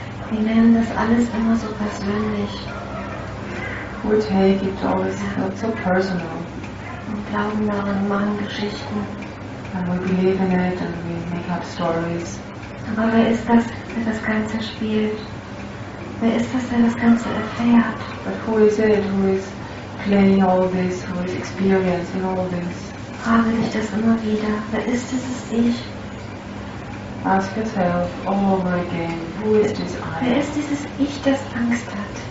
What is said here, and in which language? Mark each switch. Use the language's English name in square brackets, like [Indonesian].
[German] Wir nehmen das alles immer so persönlich. [English] We take it always not so personal. [German] Wir glauben daran und machen Geschichten. [English] And we believe in it and we make up stories. [German] Aber wer ist das, der das Ganze spielt? Wer ist das, der das Ganze erfährt? [English] But who is it who is playing all this, who is experiencing all this? [German] Frage dich das immer wieder. Wer ist dieses Ich? [English] Ask yourself all over again, who is this I? [German] Wer ist dieses Ich, das Angst hat?